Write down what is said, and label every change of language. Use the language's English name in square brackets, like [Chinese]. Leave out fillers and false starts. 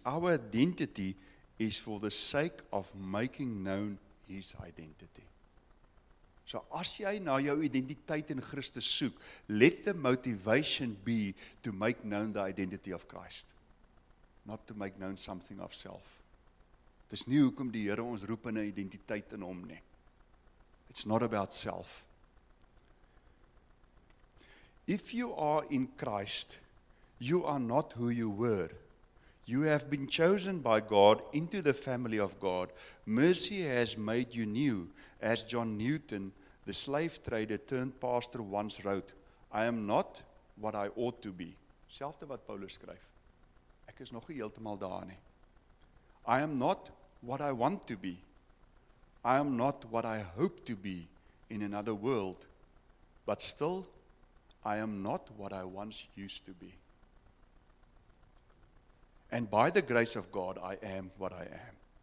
[English] Our identity is for the sake of making known his identity. [Afrikaans] So as jy na jou identiteit in Christus soek, [English] let the motivation be to make known the identity of Christ. Not to make known something of self. [Afrikaans] Dit is nie hoekom die Here ons roep in 'n identiteit in hom nie. [English] It's not about self. If you are in Christ, you are not who you were. You have been chosen by God into the family of God. Mercy has made you new, as John Newton, the slave trader turned pastor once wrote, I am not what I ought to be. [Afrikaans] Selfde wat Paulus skryf. Ek is nog nie heeltemal daar nie. [English] I am not what I want to be. I am not what I hope to be in another world. But still, I am not what I once used to be. And by the grace of God, I am what I am.